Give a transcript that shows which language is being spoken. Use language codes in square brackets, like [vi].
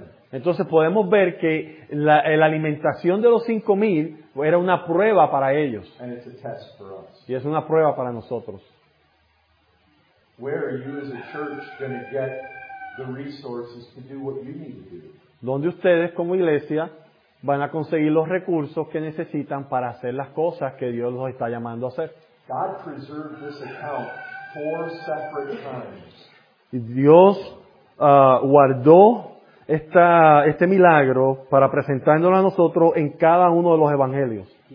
[es] Entonces podemos ver que la alimentación de los 5,000 era una prueba para ellos. Y es una prueba para nosotros. [en] Where are you as a church going to get the resources to do what you need to do? [es] ¿Dónde ustedes como iglesia van a conseguir los recursos que necesitan para hacer las cosas que Dios los está llamando a hacer? [en] God preserved this account 4 separate times. [es] Dios guardó este milagro para presentándolo a nosotros en cada uno de los evangelios.